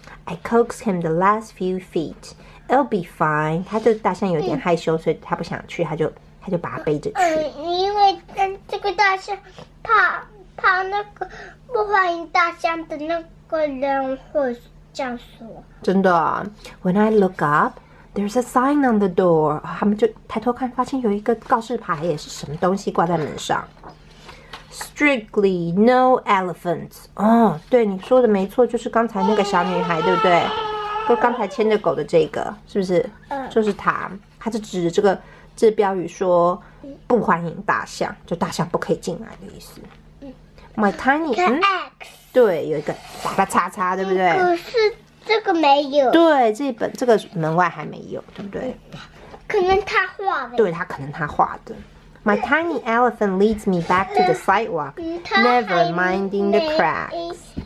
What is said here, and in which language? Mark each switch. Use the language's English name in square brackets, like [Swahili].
[English] I coax him the last few feet. It'll be fine. [Chinese] 他就大象有点害羞，所以他不想去，他就把他背着去。因为这个大象怕那个不欢迎大象的那个人会这样说。真的啊。 [English] When I look up, there's a sign on the door. [Chinese] 他们就抬头看，发现有一个告示牌，也是什么东西挂在门上。 [English] Strictly no elephants. [Chinese] 哦，对，你说的没错，就是刚才那个小女孩，对不对？就刚才牵着狗的这个，是不是？就是她，她就指着这个。这标语说不欢迎大象，就大象不可以进来的意思。 [English] My tiny X、 [Chinese] 对，有一个打个叉叉，对不对？可是这个没有。对，这本这个门外还没有，对不对？可能他画的。对，他可能他画的。 [English] My tiny elephant leads me back to the sidewalk, never minding the cracks.